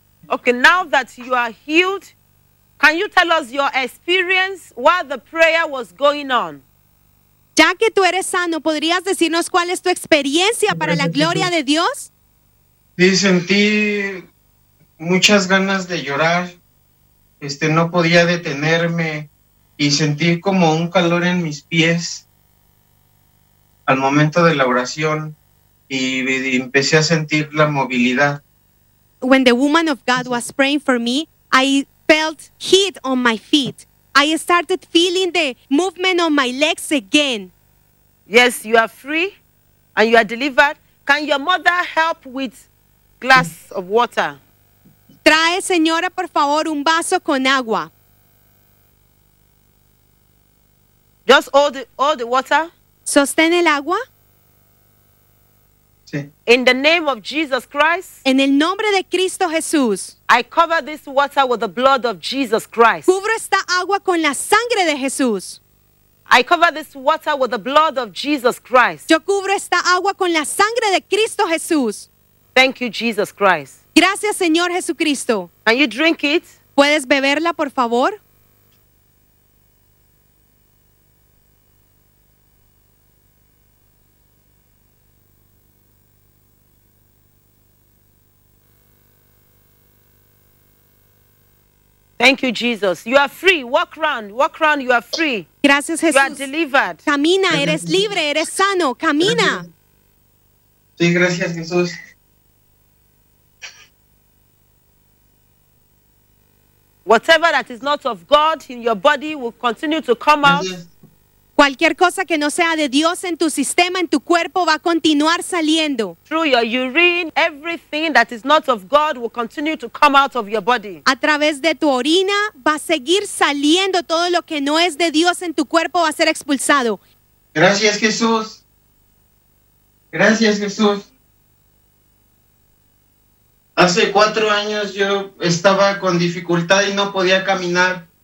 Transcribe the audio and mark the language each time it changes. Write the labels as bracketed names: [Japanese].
[English] Okay, now that you are healed, can you tell us your experience while the prayer was going on? [Spanish] Ya que tú eres sano, ¿podrías decirnos cuál es tu experiencia para la gloria de Dios? Sí, sentí muchas ganas de llorar. No podía detenerme y sentí como un calor en mis pies al momento de la oración y empecé a sentir la movilidad. [English] When the woman of God was praying for me, I felt heat on my feet. I started feeling the movement on my legs again. Yes, you are free and you are delivered. Can your mother help with a glass of water? [Spanish] Trae, señora, por favor, un vaso con agua. [English] Just hold the water. [Spanish] Sostén el agua. [English] In the name of Jesus Christ, [Spanish] en el nombre de Cristo Jesús, [English] I cover this water with the blood of Jesus Christ. [Spanish] Cubro esta agua con la sangre de Jesús. [English] I cover this water with the blood of Jesus Christ. [Spanish] Yo cubro esta agua con la sangre de Cristo Jesús. [English] Thank you, Jesus Christ. [Spanish] Gracias, Señor Jesucristo. [English] Can you drink it? [Spanish] ¿Puedes beberla, por favor? [English] Thank you, Jesus. You are free. Walk around. Walk around. You are free. [Spanish] Gracias, Jesús. [English] You are delivered. [Spanish] Camina. Eres libre. Eres sano. Camina. Sí, gracias, Jesús. [English] Whatever that is not of God in your body will continue to come out. [Spanish] Cualquier cosa que no sea de Dios en tu sistema, en tu cuerpo, va a continuar saliendo. [English] Through your urine, everything that is not of God will continue to come out of your body. [Spanish] A través de tu orina, va a seguir saliendo todo lo que no es de Dios en tu cuerpo, va a ser expulsado. Gracias, Jesús. Gracias, Jesús. Hace 4 años yo estaba con dificultad y no podía caminar.